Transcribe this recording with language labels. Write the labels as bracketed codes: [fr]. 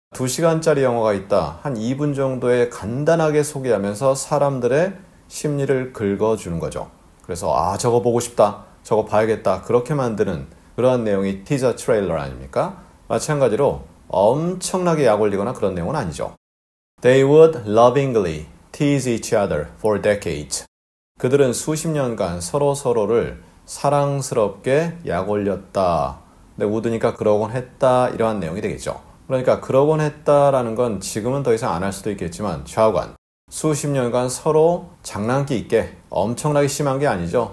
[ko] 2시간짜리 영화가 있다. 한 2분 정도에 간단하게 소개하면서 사람들의 심리를 긁어주는 거죠. 그래서 아 저거 보고 싶다. 저거 봐야겠다. 그렇게 만드는 그러한 내용이 티저 트레일러 아닙니까? 마찬가지로 엄청나게 약 올리거나 그런 내용은 아니죠. [en] They would lovingly tease each other for decades. [ko] 그들은 수십 년간 서로서로를 사랑스럽게 약 올렸다. 근데 우드니까 그러곤 했다. 이러한 내용이 되겠죠. 그러니까 그러곤 했다라는 건 지금은 더 이상 안 할 수도 있겠지만 좌우간 수십 년간 서로 장난기 있게 엄청나게 심한 게 아니죠.